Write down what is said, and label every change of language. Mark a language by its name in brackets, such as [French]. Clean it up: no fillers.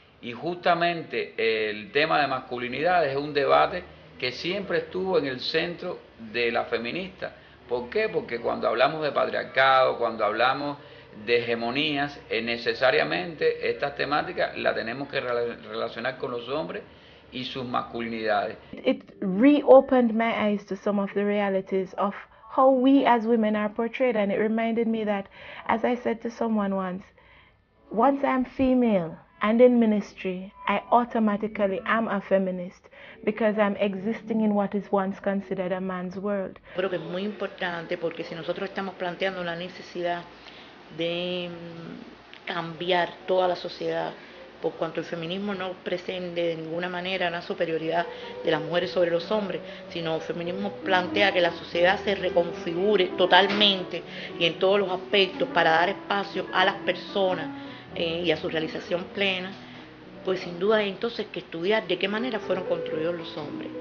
[Spanish] Y justamente el tema de masculinidad es un debate que siempre estuvo en el centro de la feminista. ¿Por qué? Porque cuando hablamos de patriarcado, cuando hablamos de hegemonías, necesariamente esta temática la tenemos que relacionar con los hombres y sus masculinidades. [English] It reopened my eyes to some of the realities of how we as women are portrayed, and it reminded me that, as I said to someone once, once I'm female and in ministry, I automatically am a feminist because I'm existing in what is once considered a man's world. [Spanish] Creo que es muy importante porque si nosotros estamos planteando la necesidad de cambiar toda la sociedad, por cuanto el feminismo no pretende de ninguna manera una superioridad de las mujeres sobre los hombres, sino el feminismo plantea que la sociedad se reconfigure totalmente y en todos los aspectos para dar espacio a las personas y a su realización plena, pues sin duda hay entonces que estudiar de qué manera fueron construidos los hombres.